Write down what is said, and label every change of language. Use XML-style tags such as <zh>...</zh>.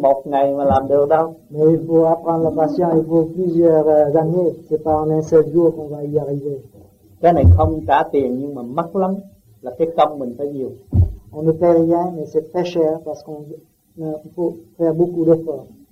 <fr>Mais il faut apprendre la patience, il faut plusieurs années, c'est pas en un seul jour qu'on va y arriver.</fr> <vi>Cái này không trả tiền nhưng mà mắc lắm, là cái công mình phải nhiều.</vi> <fr>On ne paye rien, mais c'est très cher parce qu'on faut faire beaucoup d'efforts.</fr>